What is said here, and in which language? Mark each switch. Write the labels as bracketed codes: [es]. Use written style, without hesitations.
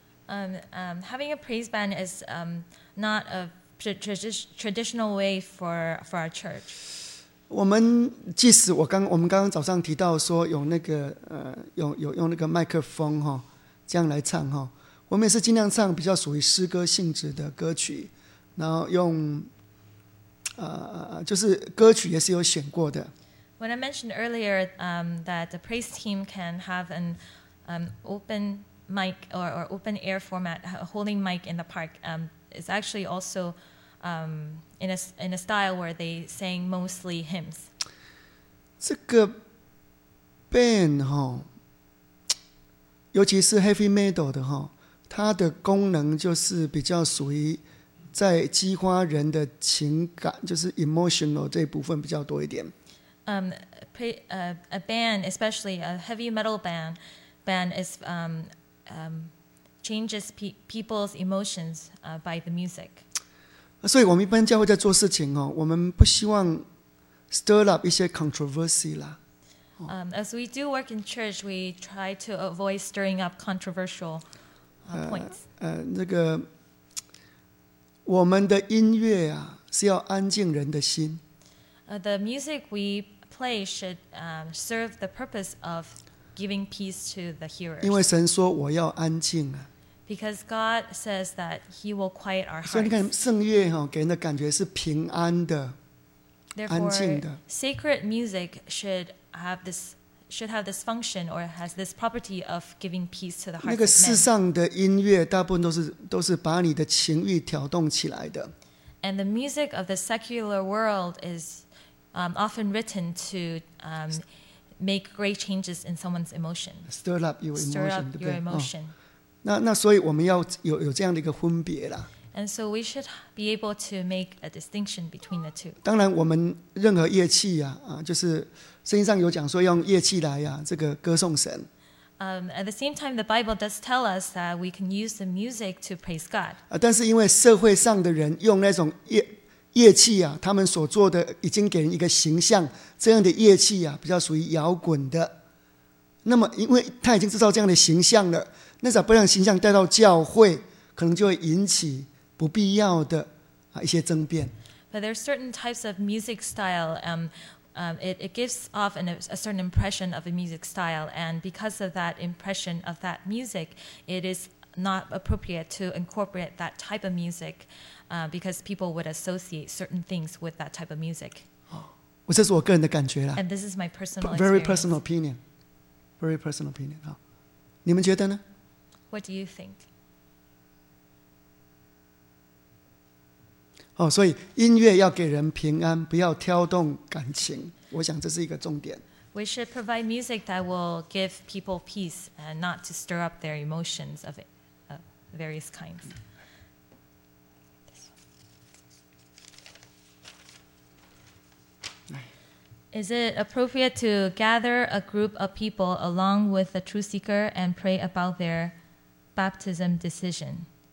[en] Having a praise band is not a traditional way for our church. [zh] 我们即使我们刚刚早上提到说有那个有用那个麦克风这样来唱我们也是尽量唱比较属于诗歌性质的歌曲，然后用。就是歌曲也是有选过的。 [en] When I mentioned earlier, that the praise team can have an open mic or open air format, a holding mic in the park, is actually also in a style where they sang mostly hymns. [zh] 这个 band 哈，尤其是 heavy metal 的哈，它的功能就是比较属于。在激发人的情感，就是 emotional 这部分比较多一点。 [en] A band, especially a heavy metal band, is changes people's emotions by the music. [zh] 所以我们一般教会在做事情、哦、我们不希望 stir up 一些 controversy 啦。 [en] As we do work in church, we try to avoid stirring up controversial points. [zh] 那个我们的音乐啊，是要安静人的心。 [en] The music we play should serve the purpose of giving peace to the hearers. [zh] 因为神说我要安静啊。 [en] Because God says that He will quiet our hearts. [zh] 所以你看圣乐、哦、给人的感觉是平安的、 [en] Therefore, [zh] 安静的。 [en] Sacred music should have this function or has this property of giving peace to the heart of man. [zh] 那个世上的音乐大部分都是把你的情欲挑动起来的。 [en] And the music of the secular world is often written to make great changes in someone's emotions. Stir up your emotion. Stir up your emotion.、 [zh] 哦、那所以我们要有这样的一个分别啦。 [en] And so we should be able to make a distinction between the two. [zh] 当然我们任何乐器啊，就是圣经上有讲说用乐器来啊，这个歌颂神。 [en] At the same time, the Bible does tell us that we can use the music to praise God. [zh] 但是因为社会上的人用那种乐器啊，他们所做的已经给人一个形象，这样的乐器啊，比较属于摇滚的。那么因为他已经制造这样的形象了，那咋不让形象带到教会，可能就会引起不必要的一些争辩。 [en] But there are certain types of music style. It gives off a certain impression of a music style, and because of that impression of that music, it is not appropriate to incorporate that type of music, because people would associate certain things with that type of music. [zh] 我这是我个人的感觉啦。 [en] And this is my personal experience. Very personal opinion. Very personal opinion. 好，你们觉得呢？ What do you think? [zh] 哦、所以音乐要给人平安，不要挑动感情。我想这是一个重点。 [en] We should provide music that will give people peace and not to stir up their emotions of various kinds. 哎、Is it appropriate to gather a group of people along with a truth seeker and pray about their baptism decision?